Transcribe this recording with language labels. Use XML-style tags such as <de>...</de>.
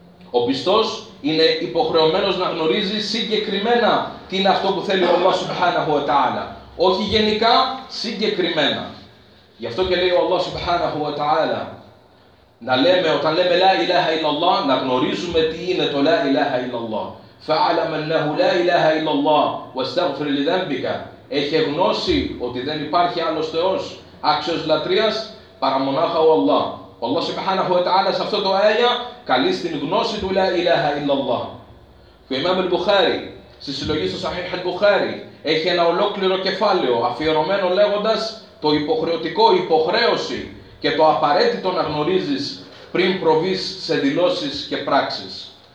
<el>Ο πιστός είναι υποχρεωμένος να γνωρίζει συγκεκριμένα τι είναι αυτό που θέλει ο Αλλάχ Σουμπχάναχου Ετα'άλα. Όχι γενικά, συγκεκριμένα. Γι' αυτό και λέει ο Αλλάχ Σουμπχάναχου Ετα'άλα να λέμε, όταν λέμε</el> <ar>La ilaha illallah,</ar> <el>να γνωρίζουμε τι είναι το La ilaha illallah.</el> <ar>فَعَلَمَ أَنَّهُ La ilaha illallah وَاسْتَغْفِرْ لِذَنْبِكَ.</ar> <el>Έχει γνώση ότι δεν υπάρχει άλλος Θεός άξιος λατρείας παρά μονάχα ο Αλλάχ. Ο Αλλάχ Σουμπχάναχου Ετα'άλα σε αυτό το αέλια καλεί στην γνώση του</el> <ar>La ilaha illallah.</ar> <el>Και ο Ιμάμ Μπουχάρι, στη συλλογή στο Σαχίχ Μπουχάρι, έχει ένα ολόκληρο κεφάλαιο αφιερωμένο λέγοντας το υποχρεωτικό, υποχρέωση και το απαραίτητο να γνωρίζεις πριν προβείς σε δηλώσεις και πράξεις.</el>